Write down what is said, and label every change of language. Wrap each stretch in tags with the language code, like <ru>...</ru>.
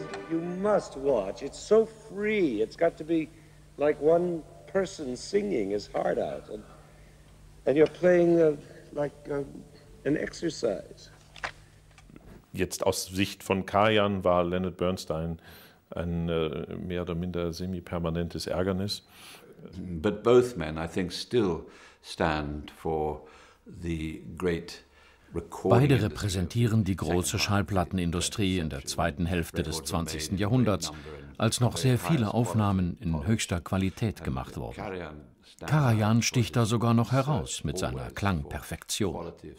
<en>You must watch. It's so free. It's got to be like one person singing his heart out. And you're playing an exercise.</en> <de>Jetzt aus Sicht von Karajan war Leonard Bernstein ein mehr oder minder semi-permanentes Ärgernis.</de> <en>But both men, I think, still stand for the great...</en> <de>Beide repräsentieren die große Schallplattenindustrie in der zweiten Hälfte des 20. Jahrhunderts, als noch sehr viele Aufnahmen in höchster Qualität gemacht wurden. Karajan sticht da sogar noch heraus mit seiner Klangperfektion.</de>